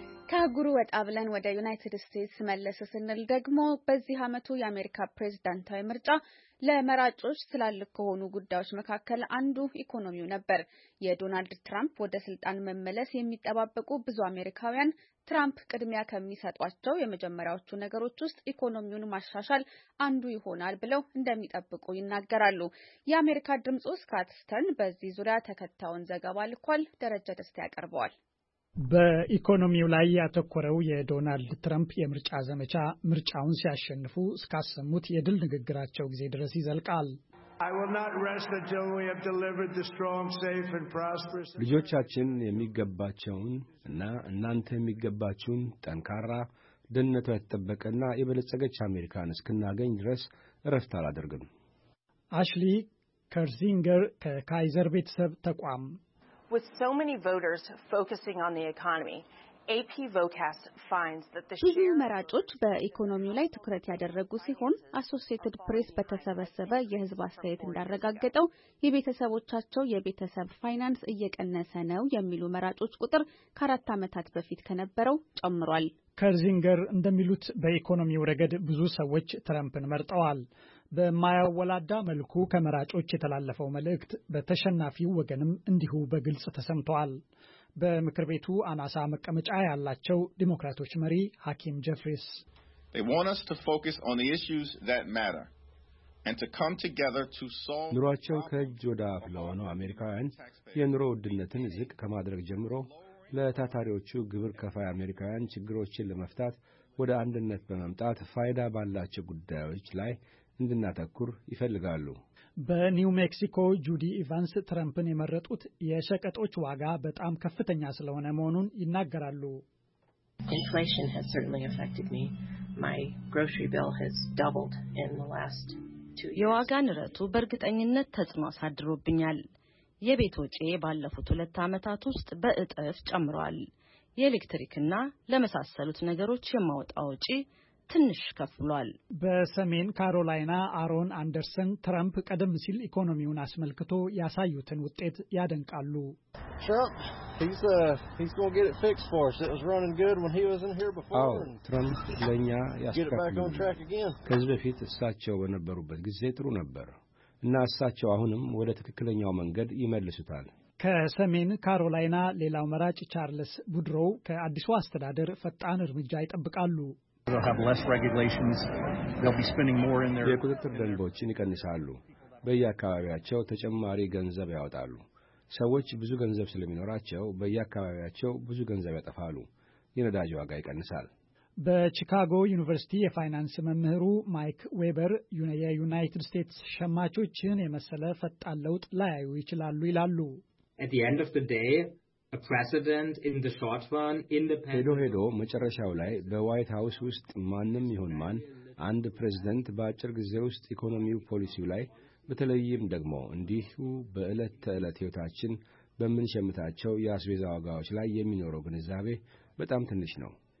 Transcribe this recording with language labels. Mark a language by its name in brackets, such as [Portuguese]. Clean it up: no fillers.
[Amharic] ከአህጉሩ ወጣ ብለን ወደ ዩናይትድ ስቴትስ መለስ ስንል ደግሞ በዚህ አመቱ የአሜሪካ ፕሬዝዳንታዊ ምርጫ ለመራጮች ስላልክ ከሆኑ ጉዳዮች መካከል አንዱ ኢኮኖሚው ነበር። የዶናልድ ትራምፕ ወደ ስልጣን መመለስ የሚጠባበቁ ብዙ አሜሪካውያን ትራምፕ ቅድሚያ ከሚሰጧቸው የመጀመሪያዎቹ ነገሮች ውስጥ ኢኮኖሚውን ማሻሻል አንዱ ይሆናል ብለው እንደሚጠብቁ ይናገራሉ። የአሜሪካ ድምጽ ስካት ስተርን በዚህ ዙሪያ ተከታዩን ዘገባ ልኳል። ደረጃ ደስታ ያቀርባል። በኢኮኖሚው ላይ ያተኮረው የዶናልድ ትራምፕ የምርጫ ዘመቻ ምርጫውን ሲያሸንፉ ስካሰሙት የድል ንግግራቸው ጊዜ ድረስ ይዘልቃል። [English] I will not rest until we have delivered the strong, safe and prosperous. [Amharic] ልጆቻችን የሚገባቸውን እና እናንተ የሚገባችሁን ጠንካራ ደህንነት የተጠበቀና የበለጸገች አሜሪካን እስክናገኝ ድረስ ረፍት አላደርግም። አሽሊ ከርዚንገር ከካይዘር ቤተሰብ ተቋም [English] With so many voters focusing on the economy, AP Vocast finds that the share of [Amharic] መራጮች በኢኮኖሚው ላይ ትኩረት ያደረጉ ሲሆን አሶሲየትድ ፕሬስ በተሰበሰበ የህዝብ አስተያየት እንዳረጋገጠው የቤተሰቦቻቸው የቤተሰብ ፋይናንስ እየቀነሰ ነው የሚሉ መራጮች ቁጥር ከአራት አመታት በፊት ከነበረው ጨምሯል። ከርዚንገር እንደሚሉት በኢኮኖሚው ረገድ ብዙ ሰዎች ትራምፕን መርጠዋል። በማያወላዳ መልኩ ከመራጮች የተላለፈው መልእክት በተሸናፊው ወገንም እንዲሁ በግልጽ ተሰምቷል። በምክር ቤቱ አናሳ መቀመጫ ያላቸው ዲሞክራቶች መሪ ሃኪም ጀፍሪስ [English] They want us to focus on the issues that matter and to come together to solve [Amharic] ኑሮአቸው ከእጅ ወደ አፍ ለሆነው አሜሪካውያን የኑሮ ውድነትን ዝቅ ከማድረግ ጀምሮ ለታታሪዎቹ ግብር ከፋይ አሜሪካውያን ችግሮችን ለመፍታት ወደ አንድነት በመምጣት ፋይዳ ባላቸው ጉዳዮች ላይ እንድናተኩር ይፈልጋሉ። በኒው ሜክሲኮ ጁዲ ኢቫንስ ትራምፕን የመረጡት የሸቀጦች ዋጋ በጣም ከፍተኛ ስለሆነ መሆኑን ይናገራሉ። [English] Inflation has certainly affected me. My grocery bill has doubled in the last 2 years. [Amharic] የዋጋ ንረቱ በእርግጠኝነት ተጽዕኖ አሳድሮብኛል። የቤት ወጪ ባለፉት 2 አመታት ውስጥ በእጥፍ ጨምሯል። የኤሌክትሪክና ለመሳሰሉት ነገሮች የማወጣ ወጪ ትንሽ ከፍሏል። በሰሜን ካሮላይና አሮን አንደርሰን ትራምፕ ቀደም ሲል ኢኮኖሚውን አስመልክቶ ያሳዩትን ውጤት ያደንቃሉ። [English] He's going to get it fixed for us. It was running good when he was in here before. [Amharic] ትራምፕ ለኛ ያስተካክሉልን። ከዚህ በፊት እሳቸው በነበሩበት ጊዜ ጥሩ ነበር። እና እሳቸው አሁንም ወደ ትክክለኛው መንገድ ይመለሱታል። ከሰሜን ካሮላይና ሌላው መራጭ ቻርልስ ቡድሮ ከአዲሱ አስተዳደር ፈጣን እርምጃ ይጠብቃሉ። [English] They'll have less regulations. They'll be spending more in their [Amharic] የቁጥጥር ደንቦችን ይቀንሳሉ። በየአካባቢያቸው ተጨማሪ ገንዘብ ያወጣሉ። ሰዎች ብዙ ገንዘብ ስለሚኖራቸው በየአካባቢያቸው ብዙ ገንዘብ ያጠፋሉ። የነዳጅ ዋጋ ይቀንሳል። በቺካጎ ዩኒቨርሲቲ የፋይናንስ መምህሩ ማይክ ዌበር የዩናይትድ ስቴትስ ሸማቾችን የመሰለ ፈጣን ለውጥ ላያዩ ይችላሉ ይላሉ። [English] At the end of the day, a president in the short run independent [Amharic] ሄዶ ሄዶ መጨረሻው ላይ በዋይት ሃውስ ውስጥ ማንም ይሁን ማን አንድ ፕሬዝዳንት ባጭር ጊዜ ውስጥ ኢኮኖሚው ፖሊሲው ላይ በተለይም ደግሞ እንዲሁ በእለት ተእለት ህይወታችን በምን ሸምታቸው ያስቤዛው ጋዎች ላይ የሚኖረው ግንዛቤ በጣም ትንሽ ነው።